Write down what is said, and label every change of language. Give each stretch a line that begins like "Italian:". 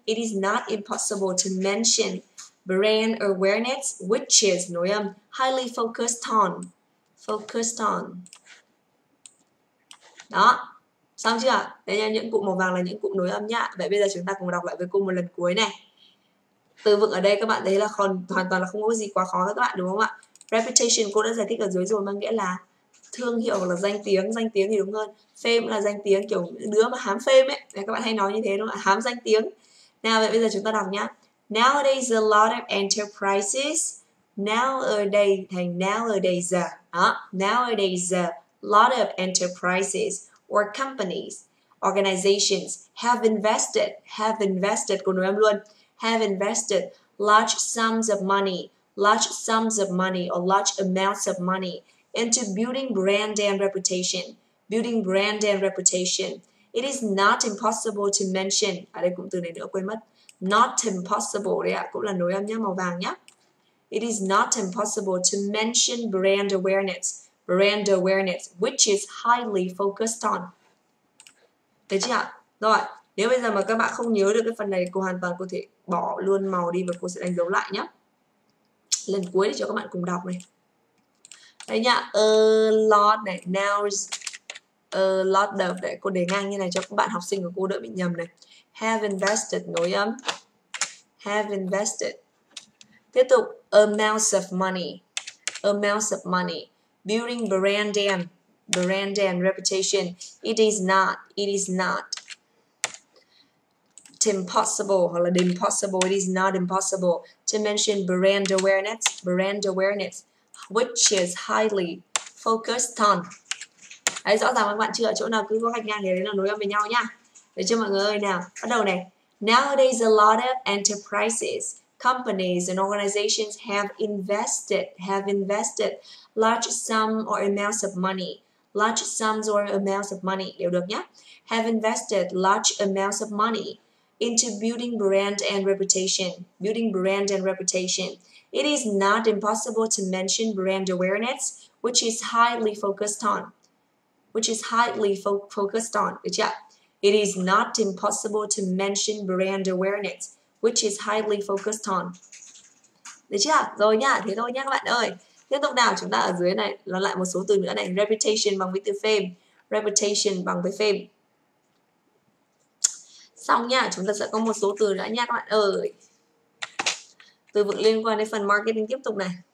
English: It is not impossible to mention brand awareness, which is
Vietnamese: nói âm
English: highly focused on, focused on.
Vietnamese: Đó, xong chưa? Đấy là những cụm màu vàng là những cụm nối âm nhá. Vậy bây giờ chúng ta cùng đọc lại với cô một lần cuối này. Từ vựng ở đây các bạn thấy là hoàn toàn là không có gì quá khó các bạn đúng không ạ? Reputation cô đã giải thích ở dưới rồi, mang nghĩa là thương hiệu hoặc là danh tiếng. Danh tiếng thì đúng hơn. Fame là danh tiếng, kiểu đứa mà hám fame ấy. Đấy, các bạn hay nói như thế đúng không ạ? Hám danh tiếng. Nào, vậy bây giờ chúng ta đọc nhá.
English: Nowadays a lot of enterprises. Nowadays thành nowadays. Đó, nowadays a lot of enterprises or companies, organizations have invested,
Vietnamese: cô nói em luôn,
English: have invested large sums of money, large sums of money or large amounts of money into building brand and reputation, building brand and reputation. It is not impossible to mention,
Vietnamese: ở đây cụm từ này nữa quên mất, Not impossible đấy ạ, cũng là nối âm nhá, màu vàng nhá.
English: It is not impossible to mention brand awareness. Brand awareness, which is highly focused on.
Vietnamese: Thấy chưa ạ? Rồi, nếu bây giờ mà các bạn không nhớ được cái phần này, cô hoàn toàn có thể bỏ luôn màu đi và cô sẽ đánh dấu lại nhá. Lần cuối để cho các bạn cùng đọc này. Đấy nhá, a lot này, nows, a lot of, để cô để ngang như này cho các bạn học sinh của cô đỡ bị nhầm này.
English: Have invested,
Vietnamese: nối âm.
English: Have invested. Tiếp tục, amounts of money. Amounts of money. Building brand and, brand and reputation. It is not, it is not. It's impossible,
Vietnamese: hoặc là
English: impossible, it is not impossible. To mention brand awareness, which is highly focused on.
Vietnamese: Đấy, rõ ràng các bạn chưa, chỗ nào cứ có gạch ngang thì đấy là nối âm với nhau nhá. Được chưa mọi người ơi, nào, bắt đầu này.
English: Nowadays a lot of enterprises, companies and organizations have invested large sum or amounts of money. Large sums or amounts of money,
Vietnamese: đều được nhá.
English: Have invested large amounts of money into building brand and reputation. Building brand and reputation. It is not impossible to mention brand awareness, which is highly focused on. Which is highly focused on.
Vietnamese: Được chưa?
English: It is not impossible to mention brand awareness, which is highly focused on.
Vietnamese: Được chưa? Rồi nha, thế thôi nha các bạn ơi. Tiếp tục nào, chúng ta ở dưới này nó lại một số từ nữa này. Reputation bằng với từ fame. Reputation bằng với fame. Xong nha, chúng ta sẽ có một số từ nữa nha các bạn ơi. Từ vựng liên quan đến phần marketing tiếp tục này.